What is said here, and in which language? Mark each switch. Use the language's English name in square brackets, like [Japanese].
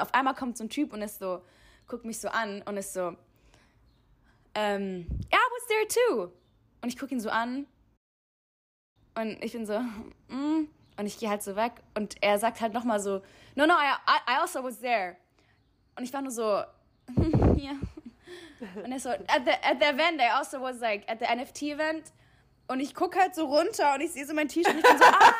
[German] Auf einmal kommt so ein Typ und ist so, guckt mich so an und ist so, [English] I was there too. [German] Und ich gucke ihn so an und ich bin so, und ich gehe halt so weg und er sagt halt nochmal so, [English] no, I also was there. [German] Und ich war nur so, yeah. Und er so, [English] at the event, I also was like, at the NFT event. [German] Und ich gucke halt so runter und ich sehe so mein T-Shirt und ich bin so, yeah.